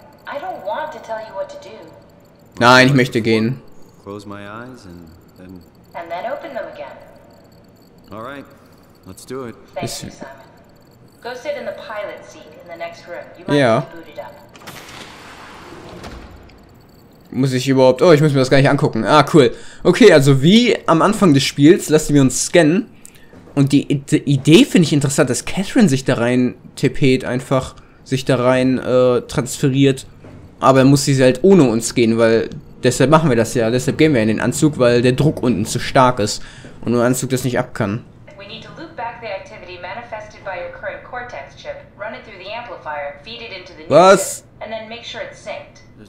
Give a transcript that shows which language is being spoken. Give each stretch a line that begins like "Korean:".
English: I don't want to tell you what to do.
German: Nein, ich möchte gehen.
English: Close my eyes and then open them again. All right. Let's do it. Thank you, Simon. Go sit in the pilot seat in the next room. You might need to boot it up.
German: Muss ich überhaupt? Oh, ich muss mir das gar nicht angucken. Ah, cool. Okay, also wie am Anfang des Spiels lassen wir uns scannen und die Idee finde ich interessant, dass Catherine sich da rein tippet, einfach sich da rein transferiert. Aber muss sie halt ohne uns gehen, weil deshalb machen wir das ja. Deshalb gehen wir in den Anzug, weil der Druck unten zu stark ist und nur Anzug das nicht ab kann.
English: We need to loop back the activity manifested by your current cortex chip, run it through the amplifier, feed it into the new chip, and then make sure it's synced.